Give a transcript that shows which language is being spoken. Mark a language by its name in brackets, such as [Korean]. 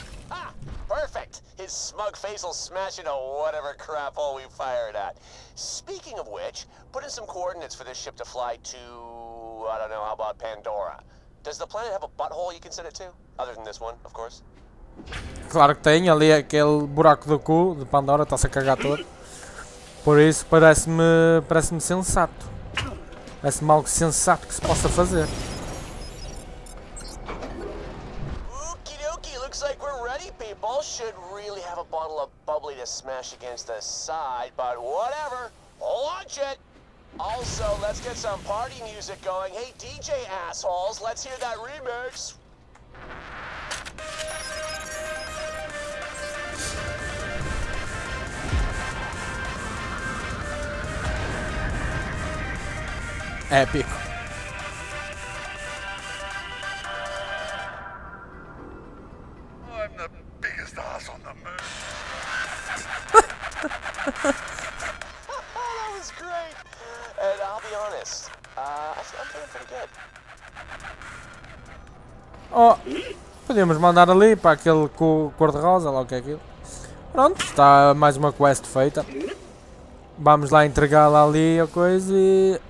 [English] Ah, perfect. His smug face will smash into whatever crap hole we fired at. Speaking of which, put in some coordinates for this ship to fly to, I don't know, how about Pandora? Does the planet have a butthole you can send it to? Other than this one, of course. [Portuguese] Claro que tem, ali é aquele buraco do cu de Pandora, está-se a cagar todo. Por isso parece-me sensato. Parece-me algo sensato que se possa fazer. [English] Okie dokie, looks like we're ready, people. Should really have a bottle of bubbly to smash against the side, but whatever. Launch it! Also, let's get some party music going. Hey DJ assholes, let's hear that remix. [Portuguese] Épico. [English] I'm the biggest ass on the moon. That was great. And I'll be honest, I'm feeling pretty good. [Portuguese] Oh, podíamos mandar ali para aquele cor de rosa, lá o que é aquilo. Pronto, está mais uma quest feita. Vamos lá entregá-la ali a coisa e.